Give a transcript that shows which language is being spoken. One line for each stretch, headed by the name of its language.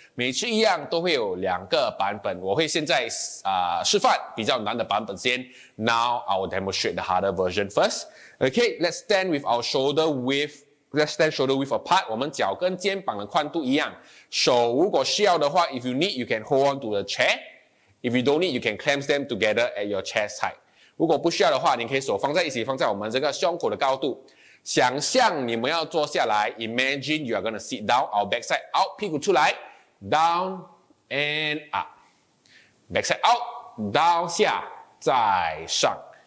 Chinese: 每次一样都会有两个版本。我会现在示范比较难的版本先。
English: Now I will demonstrate the harder version first. Okay, let's stand with our shoulder width. Let's stand shoulder width apart.
Chinese: 我们脚跟肩膀的宽度一样。手如果需要的话
English: ，if you need, you can hold on to the chair. If you don't need, you can clamp them together at your chest height.
Chinese: 如果不需要的话，你可以手放在一起，放在我们这个胸口的高度。想象你们要坐下来 ，
English: Imagine you are going to sit down. Our backside out,
Chinese: 屁股出来
English: ，down and up. Backside out, down
Chinese: 下再上。